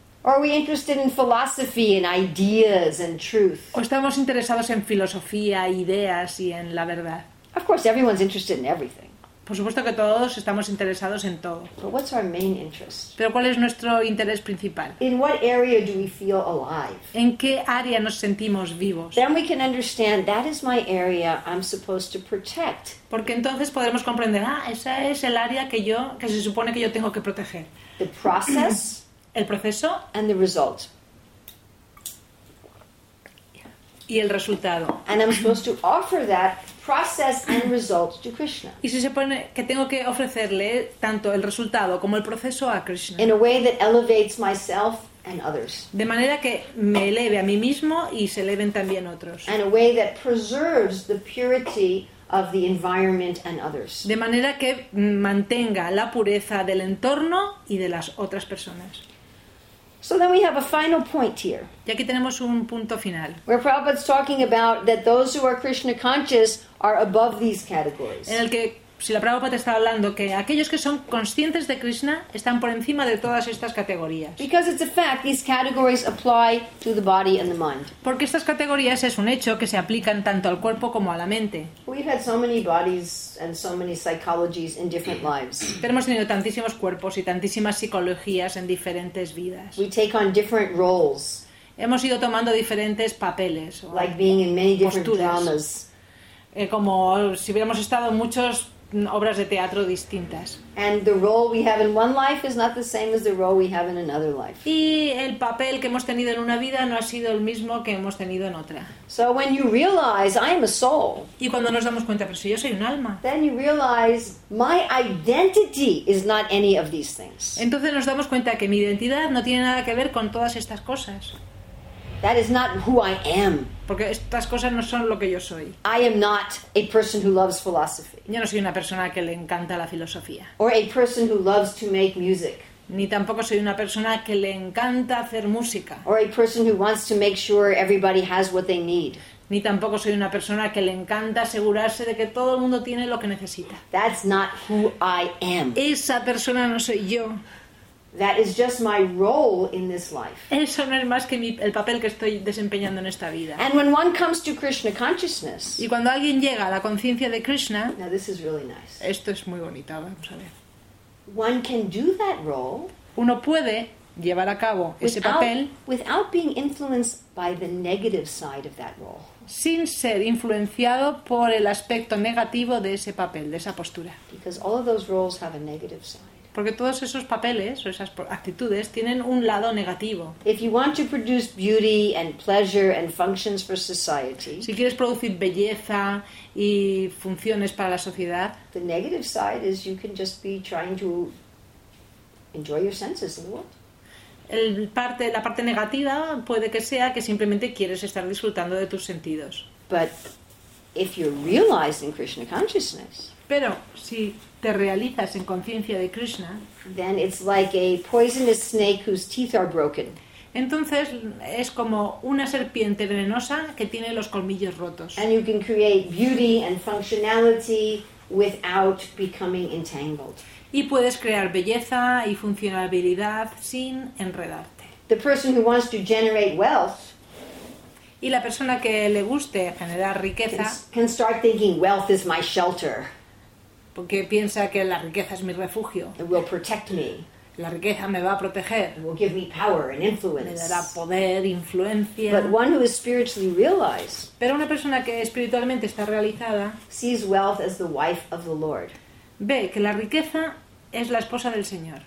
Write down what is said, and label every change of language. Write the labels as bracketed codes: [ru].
[en] Or are we interested in philosophy and ideas and truth? [es] O estamos interesados en filosofía, ideas y en la verdad. [en] Of course, everyone's interested in everything. [es] Por supuesto que todos estamos interesados en todo. [en] But what's our main interest? [es] Pero ¿cuál es nuestro interés principal? [en] In what area do we feel alive? [es] ¿En qué área nos sentimos vivos? [en] Then we can understand that is my area I'm supposed to protect. [es] Porque entonces podremos comprender, esa es el área que se supone que yo tengo que proteger. [en] The process, [es] el proceso, [en] and the result. [es] Y el resultado. [en] And I'm supposed to offer that process and result to Krishna. [es] Y se supone que tengo que ofrecerle tanto el resultado como el proceso a Krishna. [en] In a way that elevates myself and others. [es] De manera que me eleve a mí mismo y se eleven también otros. [en] In a way that preserves the purity of the environment and others. [es] De manera que mantenga la pureza del entorno y de las otras personas. [en] So then we have a final point here. [es] Y aquí tenemos un punto final. [en] Where Prabhupada's talking about that those who are Krishna conscious are above these categories. [es] En el que Srila Prabhupada está hablando que aquellos que son conscientes de Krishna están por encima de todas estas categorías. [en] Because it's a fact these categories apply to the body and the mind. [es] Porque estas categorías es un hecho que se aplican tanto al cuerpo como a la mente. [en] We've had so many bodies and so many psychologies in different lives. [es] Hemos tenido tantísimos cuerpos y tantísimas psicologías en diferentes vidas. [en] We take on different roles. [es] Hemos ido tomando diferentes papeles. [en] Like being in many different [es] posturas. [en] Dramas. [es] Como si hubiéramos estado en muchos obras de teatro distintas. [en] And the role we have in one life is not the same as the role we have in another life. [es] Y el papel que hemos tenido en una vida no ha sido el mismo que hemos tenido en otra. [en] So when you realize I am a soul. [es] Y cuando nos damos cuenta, pero si yo soy un alma. [en] Then you realize my identity is not any of these things. [es] Entonces nos damos cuenta que mi identidad no tiene nada que ver con todas estas cosas. [en] That is not who I am. [es] Porque estas cosas no son lo que yo soy. [en] I am not a person who loves philosophy. [es] Yo no soy una persona que le encanta la filosofía. [en] Or a person who loves to make music. [es] Ni tampoco soy una persona que le encanta hacer música. [en] Or a person who wants to make sure everybody has what they need. [es] Ni tampoco soy una persona que le encanta asegurarse de que todo el mundo tiene lo que necesita. [en] That's not who I am. [es] Esa persona no soy yo. [en] That is just my role in this life. [es] Eso no es más que el papel que estoy desempeñando en esta vida. [en] And when one comes to Krishna consciousness. [es] Y cuando alguien llega a la conciencia de Krishna. [en] Now this is really nice. [es] Esto es muy bonito, vamos a ver. [en] One can do that role. [es] Uno puede llevar a cabo ese papel. [en] Without being influenced by the negative side of that role. [es] Sin ser influenciado por el aspecto negativo de ese papel, de esa postura. [en] Because all of those roles have a negative side. [es] Porque todos esos papeles o esas actitudes tienen un lado negativo. [en] If you want to produce beauty and pleasure and functions for society, [es] si quieres producir belleza y funciones para la sociedad, [en] the negative side is you can just be trying to enjoy your senses in the world. [es] La parte negativa puede que sea que simplemente quieres estar disfrutando de tus sentidos. [en] But if you're realized in Krishna consciousness, [es] pero si te realizas en conciencia de Krishna, [en] then it's like a poisonous snake whose teeth are broken. [es] Entonces es como una serpiente venenosa que tiene los colmillos rotos. [en] And you can create beauty and functionality without becoming entangled. [es] Y puedes crear belleza y funcionalidad sin enredarte. [en] The person who wants to generate wealth. [es] Y la persona que le guste generar riqueza [en] can start thinking wealth is my shelter. [es] Porque piensa que la riqueza es mi refugio. [en] It will protect me. [es] La riqueza me va a proteger. [en] It will give me power and influence. [es] Me dará poder, influencia. [en] But one who is spiritually realized, [es] pero una persona que espiritualmente está realizada, [en] sees wealth as the wife of the Lord. [es] Ve que la riqueza es la esposa del Señor.